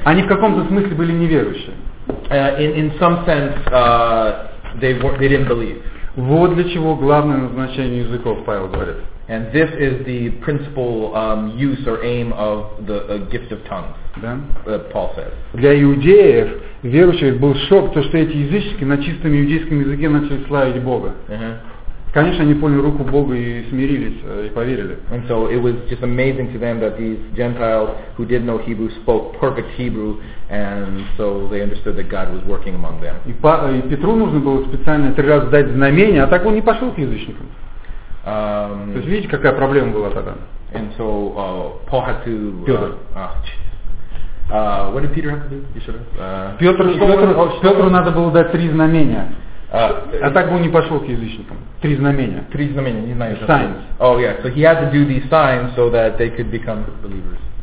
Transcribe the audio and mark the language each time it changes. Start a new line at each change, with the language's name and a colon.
Russian: Они в каком-то смысле были неверующие.
English: In some sense, they didn't believe.
Russian: Вот для чего главное назначение языков, Павел говорит.
English: And this is the principal use or aim of the gift of tongues.
Russian: Да?
English: Paul says.
Russian: Для иудеев, верующих, был шок то, что эти язычники на чистом иудейском языке начали славить Бога. Конечно, они поняли руку Бога и смирились, и поверили.
English: And so it was just amazing to them that these Gentiles who did know Hebrew spoke perfect Hebrew, and so they understood that God was working among them.
Russian: И Петру нужно было специально три раза дать знамение, а так он не пошел к язычникам. То есть видите, какая проблема была тогда?
English: And so Paul had to...
Russian: Петр.
English: What did Peter have to do?
Russian: Петру надо было дать три знамения. А так бы он не пошел к язычникам. Три знамения. Три знамения, не знаю.
English: Signs. Oh yeah. So he had to do these signs so that they could become believers.